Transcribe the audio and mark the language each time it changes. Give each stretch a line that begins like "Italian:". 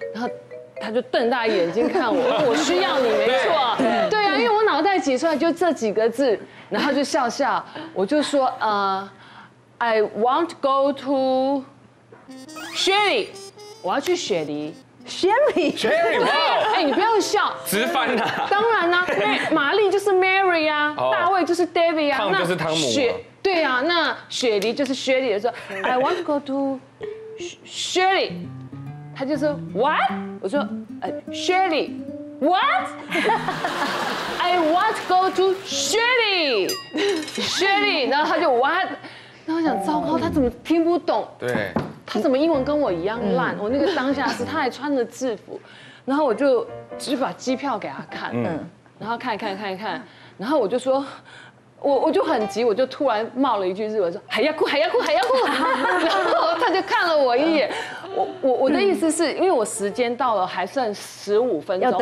Chinese: 然后他就瞪大眼睛看我，我需要你没错，对啊，因为我脑袋挤出来就这几个字，然后就笑笑，我就说
English: I want go to
Chinese: 雪梨，我要去雪梨。
English: Sherry，
Chinese: 对，哎，你不要笑，直翻啊！当然啦、啊，玛丽就是 Mary 啊，大卫就是 David 啊，汤姆就是汤姆、啊，雪，对啊，那雪梨就是 Sherry， 说
English: I want to go to Sherry，
Chinese: 他就说 What？
English: 我说Sherry What？ I want to go to Sherry， 然后他就 What？
Chinese: 那我想糟糕，他怎么听不懂？对。他怎么英文跟我一样烂？我那个当下是他还穿着制服，然后我就只把机票给他看，然后看一看看一看，然后我就说，我就很急，我就突然冒了一句日文说，还要哭还要哭还要哭，然后他就看了我一眼，我的意思是因为我时间到了还剩15分钟